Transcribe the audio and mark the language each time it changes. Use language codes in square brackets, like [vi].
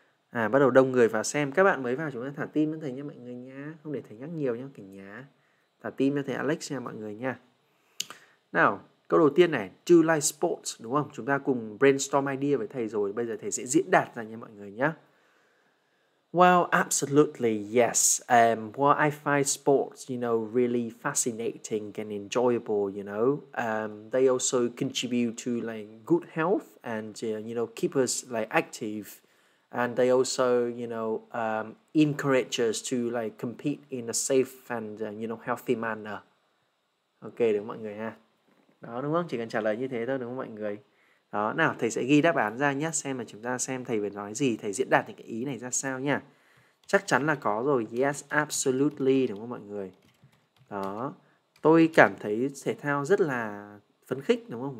[vi] À, bắt đầu đông người vào xem. Các bạn mới vào chúng ta thả tim với thầy nha mọi người nhá. Không để thầy nhắc nhiều nhá, cả nhà. Thả tim cho thầy Alex nha mọi người nha. Nào, câu đầu tiên này, [en] do you like sports, [vi] đúng không? Chúng ta cùng brainstorm idea với thầy rồi. Bây giờ thầy sẽ diễn đạt ra nha mọi người nhá. [en] Well, absolutely, yes. Well, I find sports, really fascinating and enjoyable, They also contribute to good health and, keep us active. And they also, encourage us to compete in a safe and, healthy manner. [vi] Ok, đúng mọi người ha. Đó, đúng không? Chỉ cần trả lời như thế thôi, đúng không mọi người? Đó, nào, thầy sẽ ghi đáp án ra nhé. Xem mà chúng ta xem thầy vừa nói gì, thầy diễn đạt những cái ý này ra sao nha. Chắc chắn là có rồi. [en] Yes, absolutely, [vi] đúng không mọi người? Đó, tôi cảm thấy thể thao rất là phấn khích, đúng không?